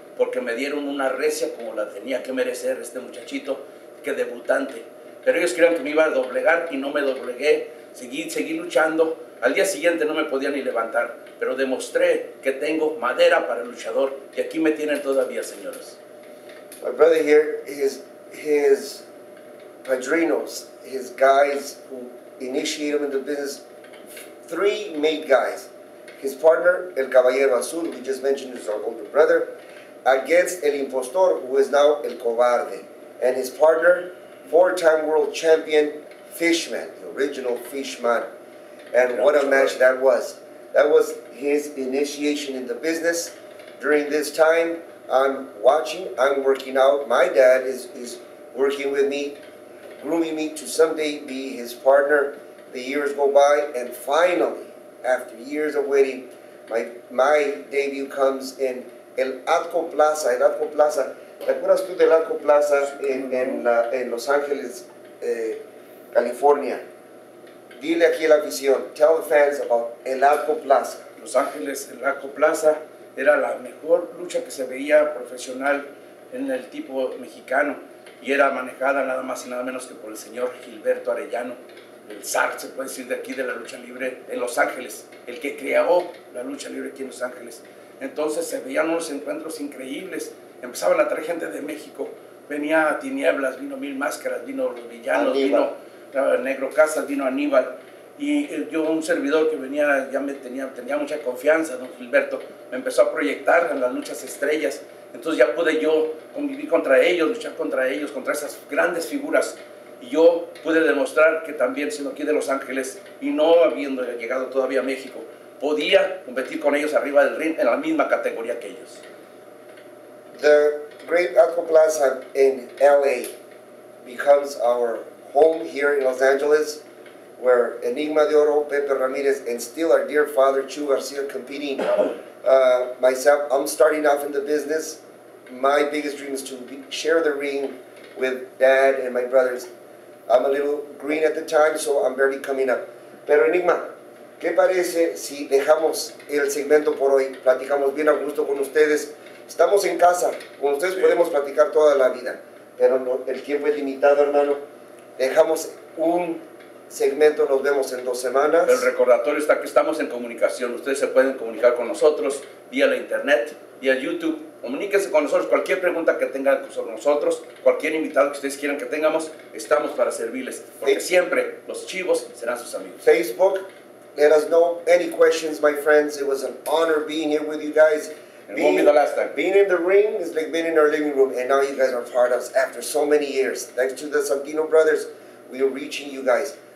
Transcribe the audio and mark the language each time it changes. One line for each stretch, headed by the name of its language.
Spanish: porque me dieron una recia como la tenía que merecer este muchachito, que debutante. Pero ellos creían que me iba a doblegar y no me doblegué. Seguí luchando. Al día siguiente no me podía ni levantar, pero demostré que tengo madera para el luchador y aquí me tienen todavía, señores.
English: My brother here, his padrinos, his guys who initiated him in the business, three main guys. His partner, El Caballero Azul, we just mentioned, is our older brother, against El Impostor, who is now El Cobarde. And his partner, four-time world champion, Fishman, the original Fishman. And what a match that was. That was his initiation in the business. During this time, I'm watching, I'm working out. My dad is working with me, grooming me to someday be his partner. The years go by, and finally, after years of waiting, my debut comes in El Atco Plaza. El Atco Plaza.
Spanish: ¿Te acuerdas tú del Atco Plaza en Los Ángeles, California? Dile aquí la visión.
English: Tell the fans about El Atco Plaza.
Spanish: Los Ángeles, El Atco Plaza era la mejor lucha que se veía profesional en el tipo mexicano y era manejada nada más y nada menos que por el señor Gilberto Arellano. El zar, se puede decir, de aquí, de la lucha libre en Los Ángeles, el que creó la lucha libre aquí en Los Ángeles. Entonces se veían unos encuentros increíbles, empezaban a traer gente de México, venía Tinieblas, vino Mil Máscaras, vino Los Villanos, Aníbal. Vino Negro Casas, vino Aníbal, y yo, un servidor que venía, ya me tenía mucha confianza, don Gilberto, me empezó a proyectar a las luchas estrellas, entonces ya pude yo convivir contra ellos, luchar contra ellos, contra esas grandes figuras. Y yo pude demostrar que también, siendo aquí de Los Ángeles y no habiendo llegado todavía a México, podía competir con ellos arriba del ring en la misma categoría que ellos.
English: The Great Atco Plaza in LA becomes our home here in Los Angeles, where Enigma de Oro, Pepe Ramirez, and still our dear father, Chu Garcia, competing. Myself, I'm starting off in the business. My biggest dream is to share the ring with Dad and my brothers. I'm a little green at the time, so I'm barely coming up.
Spanish: Pero Enigma, ¿qué parece si dejamos el segmento por hoy? Platicamos bien a gusto con ustedes. Estamos en casa. Con ustedes podemos platicar toda la vida. Pero no, el tiempo es limitado, hermano. Dejamos un segmento. Nos vemos en 2 semanas. El recordatorio está que estamos en comunicación. Ustedes se pueden comunicar con nosotros vía la internet, vía YouTube. Comuníquense con nosotros, cualquier pregunta que tengan sobre nosotros, cualquier invitado que ustedes quieran que tengamos, estamos para servirles, porque siempre los chivos serán sus amigos.
English: Facebook, let us know any questions, my friends. It was an honor being here with you guys. Being in the ring is like being in our living room, and now you guys are part of us after so many years. Thanks to the Santino brothers, we are reaching you guys.